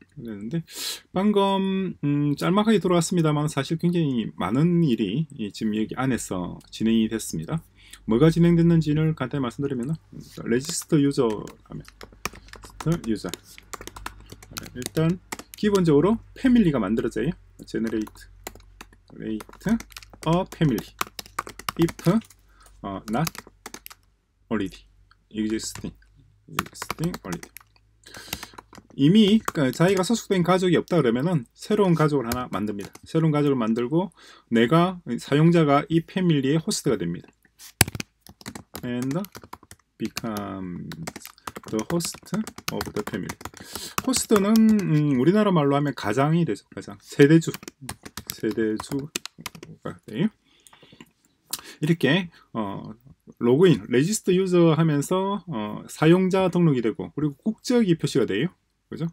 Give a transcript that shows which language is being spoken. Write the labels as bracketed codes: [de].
[ko] 그랬는데 방금 짤막하게 돌아왔습니다만 사실 굉장히 많은 일이 지금 여기 안에서 진행이 됐습니다. 뭐가 진행됐는지를 간단히 말씀드리면 레지스터 유저 하면 레지스터 유저 일단 기본적으로 패밀리가 만들어져요. [en] generate a family if not already existing. Existing only. [ko] 이미 자기가 소속된 가족이 없다 그러면은 새로운 가족을 하나 만듭니다. 새로운 가족을 만들고 내가 사용자가 이 패밀리의 호스트가 됩니다. [en] And becomes the host of the family. [ko] 호스트는 우리나라 말로 하면 가장이 되죠. 가장 세대주. 세대주가 돼요. 이렇게 로그인, 레지스터 유저 하면서 사용자 등록이 되고 그리고 국적이 표시가 돼요. 그죠?